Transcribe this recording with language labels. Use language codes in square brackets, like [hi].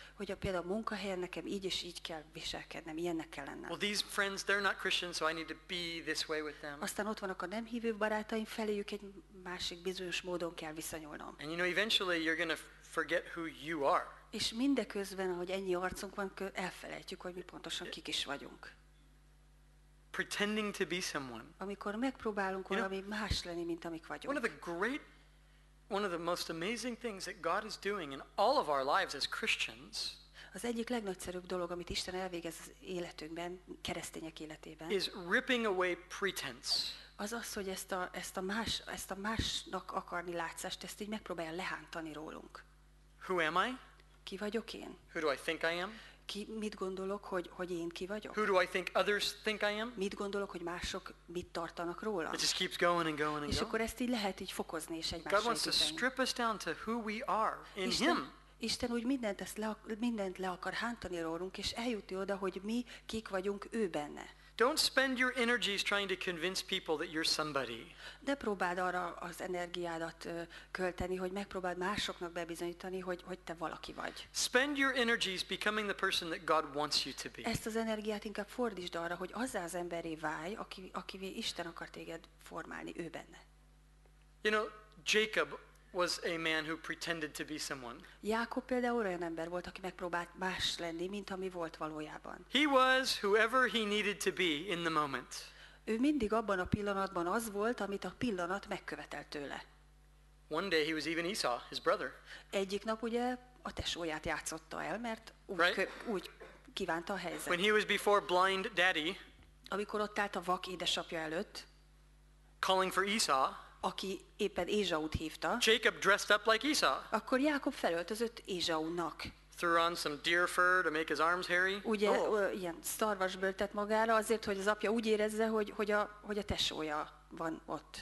[hu] Hogy a például munkahelyen nekem így és így kell viselkednem, ilyennek kell lennem. [en] Well, these friends, they're not Christians, so I need to be this way with them. [hu] Aztán ott vannak a nem hívő barátaim, feléjük egy másik bizonyos módon kell viszonyulnom. [en] And you know, eventually you're going to forget who you are. [hu] És mindeközben, ahogy ennyi arcunk van, elfelejtjük, hogy mi pontosan kik is vagyunk. [en] Pretending to be someone. [hu] Amikor megpróbálunk valami más lenni, mint amik vagyunk. [en] One of the most amazing things that God is doing in all of our lives as Christians. [hu] Az egyik legnagyszerűbb dolog, amit Isten elvégez az életünkben, keresztények életében. [en] Is ripping away pretense. [hu] Az, hogy ezt a másnak akarni látszást, ezt így megpróbálja lehántani rólunk. [en] Who am I? [hu] Ki vagyok én? [en] Who do I think I am? [hu] Ki mit gondolok, hogy én ki vagyok? [en] Who do I think others think I am? [hu] Mit gondolok, hogy mások mit tartanak róla? [en] It just keeps going and going and [hu] és akkor ezt így lehet így fokozni és egymásra. [en] God wants to strip us down to who we are in Him. [hu] Isten úgy mindent le akar hántani rólunk és eljutni oda, hogy mi kik vagyunk ő benne. [en] Don't spend your energies trying to convince people that you're somebody. [hu] Ne próbáld arra az energiádat költeni, hogy megpróbáld másoknak bebizonyítani, hogy te valaki vagy. [en] Spend your energies becoming the person that God wants you to be. [hu] Ezt az energiát inkább fordítsd arra, hogy azzá az emberré válj, akivé Isten akar téged formálni ő benne. [en] You know, Jacob was a man who pretended to be someone. [hu] Jákob például olyan ember volt, aki megpróbált más lenni, mint ami volt valójában. [en] He was whoever he needed to be in the moment. [hu] Ő mindig abban a pillanatban az volt, amit a pillanat megkövetelt tőle. [en] One day he was even Esau, his brother. [hu] Egyik nap ugye a tesóját játszotta el, mert úgy kívánta a helyzet. [en] When he was before blind daddy, [hu] amikor ott állt a vak édesapja előtt, [en] calling for Esau, [hu] aki éppen Ézsaut hívta. [en] Jacob dressed up like Esau. [hu] Akkor Jákob felöltözött Ézsaunak. [en] Threw on some deer fur to make his arms hairy. [hu] Ugye ilyen szarvasbőrt tett magára azért, hogy az apja úgy érezze, hogy a tesója van ott.